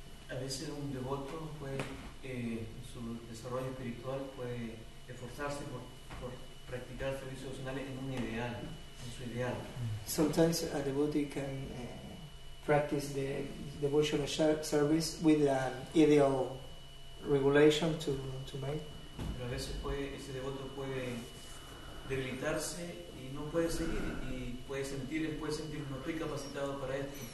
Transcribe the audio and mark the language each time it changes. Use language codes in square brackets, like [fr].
[es] A veces un devoto puede, su desarrollo espiritual puede esforzarse por practicar servicios devocionales en un ideal, en su ideal. [en] Sometimes a devotee can practice the devotional service with an ideal regulation to make. [es] Pero a veces puede, ese devoto puede debilitarse y no puede seguir y puede sentir no estoy capacitado para esto.